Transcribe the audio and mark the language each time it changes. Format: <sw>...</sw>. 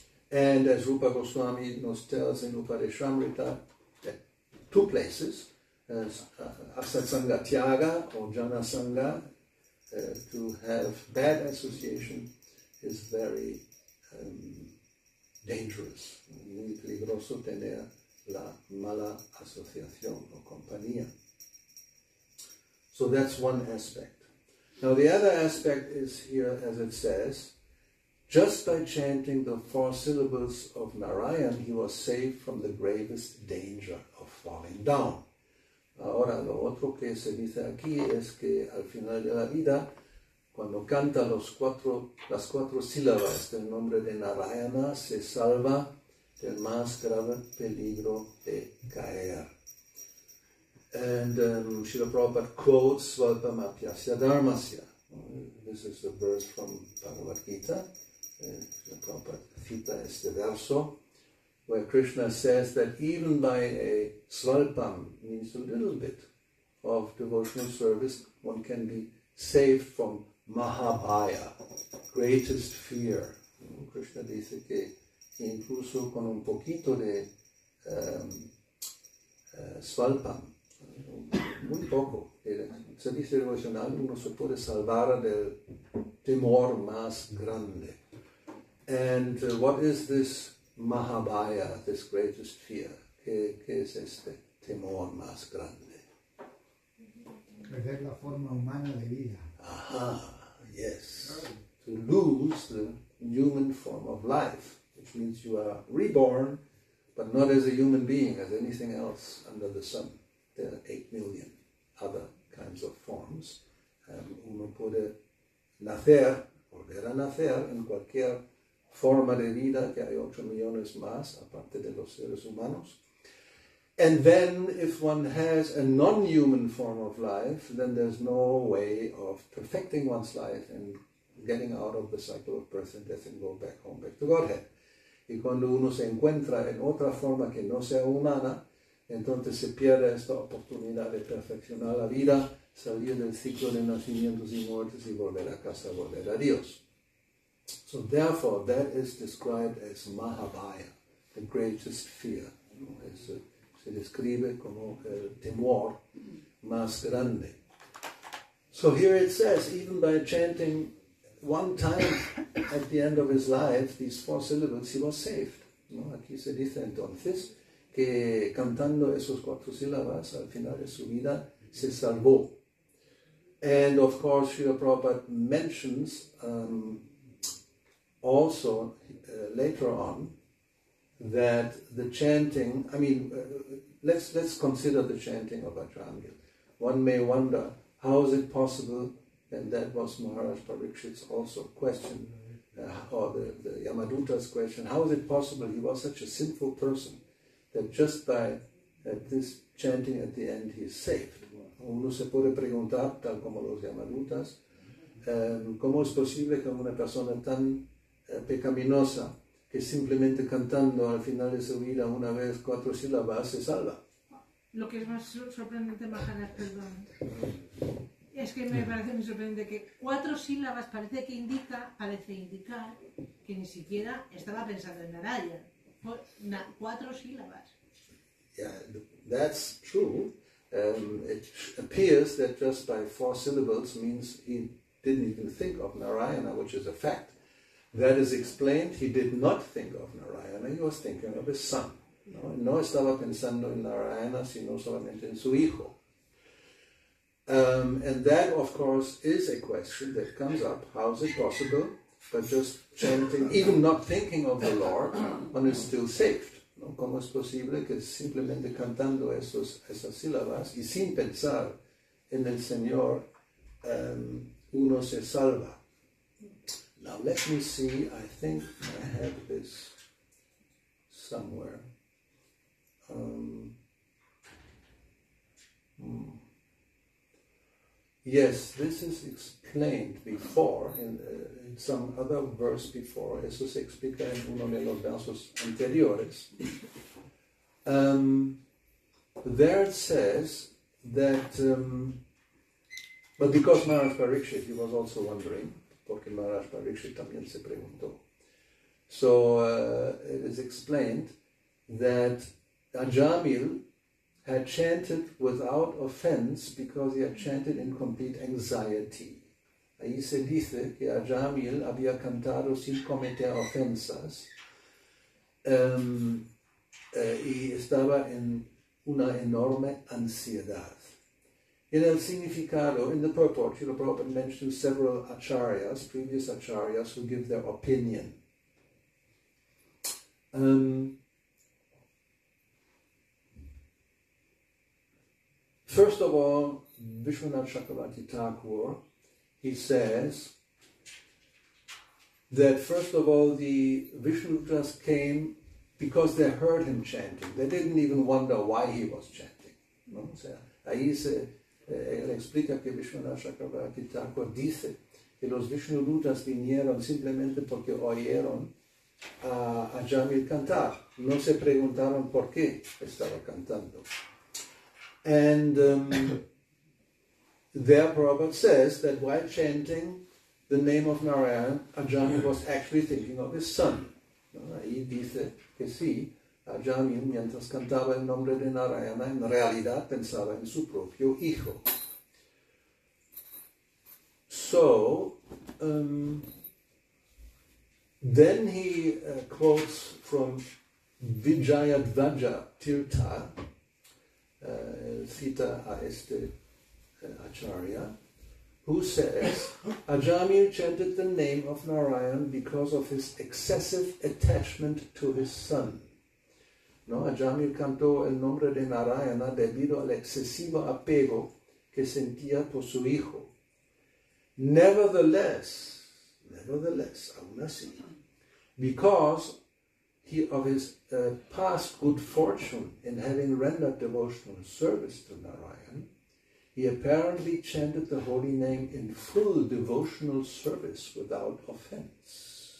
<en>And as Rupa Goswami nos tells in Upadeshamrita, two places, Asat Sangha Tyaga or Jana Sangha, to have bad association is very dangerous.</en> <es>Muy peligroso tener la mala asociación o compañía.</es> <en>So that's one aspect. Now the other aspect is here, as it says, just by chanting the four syllables of Narayan, he was saved from the gravest danger of falling down.</en> <es>Ahora, lo otro que se dice aquí es que al final de la vida, cuando canta las cuatro sílabas del nombre de Narayana, se salva del más grave peligro de caer.</es> <en>And Srila Prabhupada quotes Svalpamapyasya Dharmasya. This is a verse from Bhagavad Gita.</en> <es>Srila Prabhupada cita este verso,</es> <en>where Krishna says that even by a svalpam, means a little bit, of devotional service, one can be saved from Mahabhaya, greatest fear.</en> <es>Krishna dice que incluso con un poquito de svalpam, muy poco. Se dice devocional, uno se puede salvar del temor más grande.</es> <en>And what is this Mahabhaya, this greatest fear?</en> <es>¿Qué es este temor más grande? Perder la forma humana de vida. Ajá, yes.</es> <en>To lose the human form of life, which means you are reborn, but not as a human being, as anything else under the sun. There are 8 million other kinds of forms.</en> <es>Uno puede nacer, volver a nacer, en cualquier forma de vida, que hay 8 millones más, aparte de los seres humanos.</es> <en>And then, if one has a non-human form of life, then there's no way of perfecting one's life and getting out of the cycle of birth and death and go back home, back to Godhead.</en> <es>Y cuando uno se encuentra en otra forma que no sea humana, entonces se pierde esta oportunidad de perfeccionar la vida, salir del ciclo de nacimientos y muertes y volver a casa, volver a Dios.</es> <en>So therefore, that is described as Mahabhaya, the greatest fear.</en> <es>Se describe como el temor más grande.</es> <en>So here it says, even by chanting one time at the end of his life, these four syllables, he was saved.</en> <es>Aquí se dice entonces, que cantando esos cuatro sílabas al final de su vida se salvó.</es> <en>And of course, Srila Prabhupada mentions also later on that the chanting, I mean, let's consider the chanting of Vajrangi. One may wonder, how is it possible? And that was Maharaj Parikshit's also question, or the Yamadutta's question, how is it possible he was such a sinful person that just by this chanting at the end he is saved?</en> <es>Uno se puede preguntar, tal como los Yamadutas, ¿cómo es posible que una persona tan pecaminosa que simplemente cantando al final de su vida una vez cuatro sílabas se salva? Lo que es más sorprendente, Maharaj, perdón, es que me parece muy sorprendente que cuatro sílabas parece indicar que ni siquiera estaba pensando en Narayan. Cuatro sílabas.</es> <en>Yeah, that's true. It appears that just by four syllables means he didn't even think of Narayana, which is a fact. That is explained, he did not think of Narayana, he was thinking of his son. No, no estaba pensando en Narayana, sino solamente en su hijo. And that, of course, is a question that comes up. How is it possible that just chanting, even not thinking of the Lord, one is still saved?</en> <es>¿No? ¿Cómo es posible que simplemente cantando esas sílabas y sin pensar en el Señor, uno se salva?</es> <en>Now let me see, I think I have this somewhere. Yes, this is explained before, in some other verse before,</en> <es>eso se explica en uno de los versos anteriores.</es> <en>There it says that, but because Maharaj Parikshit, he was also wondering,</en> <es>porque Maharaj Parikshit también se preguntó.</es> <en>So it is explained that Ajamil had chanted without offense because he had chanted in complete anxiety.</en> <es>Ahí se dice que Ajamil había cantado sin cometer ofensas y estaba en una enorme ansiedad.</es> <en>In</en> <es>el significado,</es> <en>in the purport, Srila Prabhupada mentions several acharyas, previous acharyas, who give their opinion. First of all, Vishwanath Chakravarti Thakur, he says that first of all, the Vishnudras came because they heard him chanting. They didn't even wonder why he was chanting.</en> <es>No? O sea, ahí se... él explica que Vishwanath Chakravarti Thakur dice que los Vishnudutas vinieron simplemente porque oyeron a Jamil cantar. No se preguntaron por qué estaba cantando.</es> <en>And there Prabhupada says that while chanting the name of Narayan, Ajamil was actually thinking of his son.</en> <es>Ahí dice que sí, Ajamil, mientras cantaba el nombre de Narayana, en realidad pensaba en su propio hijo.</es> <en>So, then he quotes from Vijayadvaja Tirtha,</en> <es>cita a este acharya,</es> <en>who says, Ajamil chanted the name of Narayan because of his excessive attachment to his son.</en> <es>No, Ajamil cantó el nombre de Narayana debido al excesivo apego que sentía por su hijo.</es> <en>Nevertheless,</en> <es>aún así,</es> <en>because he of his past good fortune in having rendered devotional service to Narayan, he apparently chanted the holy name in full devotional service without offense.</en>